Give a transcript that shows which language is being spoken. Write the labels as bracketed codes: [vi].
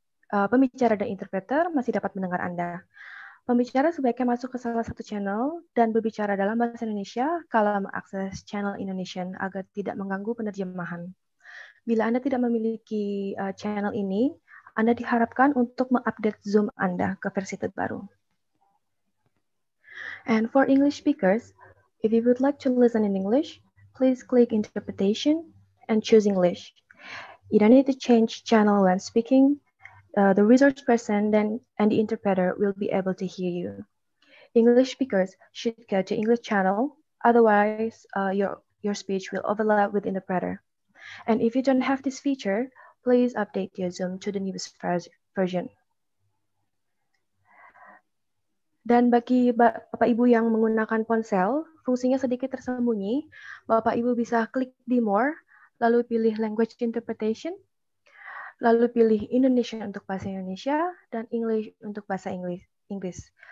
[id] Pembicara dan interpreter masih dapat mendengar Anda. Pembicara sebaiknya masuk ke salah satu channel dan berbicara dalam bahasa Indonesia kalau mengakses channel Indonesian agar tidak mengganggu penerjemahan. Bila Anda tidak memiliki channel ini, Anda diharapkan untuk mengupdate Zoom Anda ke versi terbaru. [en] And for English speakers, if you would like to listen in English, please click Interpretation and choose English. You don't need to change channel when speaking. The resource person then and the interpreter will be able to hear you. English speakers should go to English channel, otherwise your speech will overlap with interpreter. And if you don't have this feature, please update your Zoom to the newest version. [id] Dan bagi Bapak Ibu yang menggunakan ponsel, fungsinya sedikit tersembunyi, Bapak Ibu bisa klik di more, lalu pilih language interpretation, lalu pilih Indonesia untuk bahasa Indonesia dan English untuk bahasa Inggris.